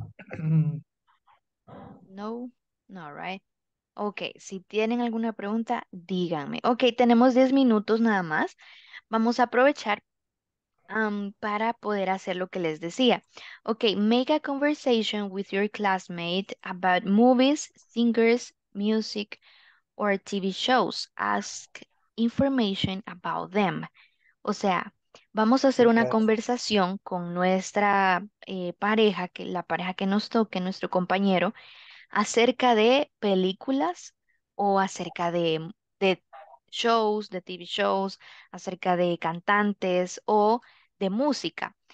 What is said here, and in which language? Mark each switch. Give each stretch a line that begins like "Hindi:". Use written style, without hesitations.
English: No, no, right?
Spanish: Okay, si tienen alguna pregunta, díganme. Okay, tenemos 10 minutos nada más. Vamos a aprovechar para poder hacer lo que les decía.
English: Okay, make a conversation with your classmate about movies, singers, music, or TV shows. Ask information about them.
Spanish: O sea, vamos a hacer una conversación con nuestra pareja, que la pareja que nos toque, nuestro compañero, acerca de películas o acerca de shows, de TV shows, acerca de cantantes o de música.